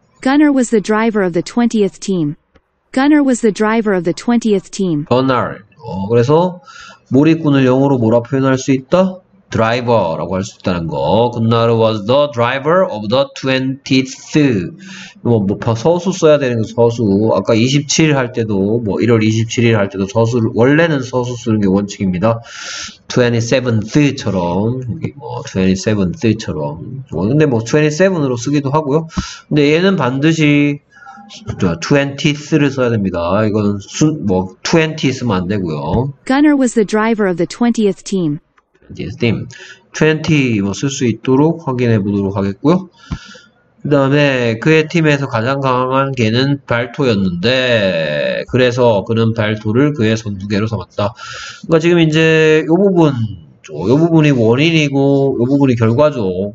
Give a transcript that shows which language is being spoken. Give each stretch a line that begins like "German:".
English: Gunner was the driver of the 20th team. Gunner was the driver of the 20th team. Gunner.
Korean: 그래서 몰이꾼을 영어로 뭐라 표현할 수 있다?
English: Driver라고
Korean: 할수 있다는 거.
English: Gunner was the driver of the 20th.
Korean: 뭐 서수 써야 되는 거 서수. 아까 27일 할 때도 뭐 1월 27일 할 때도 서수를 원래는 서수 쓰는 게 원칙입니다. 27th처럼 여기 뭐 27th처럼. 근데 뭐 27으로 쓰기도 하고요. 근데 얘는 반드시 20th를 써야 됩니다. 이건 뭐 20th 쓰면 안 되고요.
English: Gunner was the driver of the 20th team.
Korean: 20 뭐쓸수 있도록 확인해 보도록 하겠고요. 그다음에 그의 팀에서 가장 강한 개는 발토였는데 그래서 그는 발토를 그의 선두개로 삼았다. 그러니까 지금 이제 요 부분 요 부분이 원인이고 요 부분이 결과죠.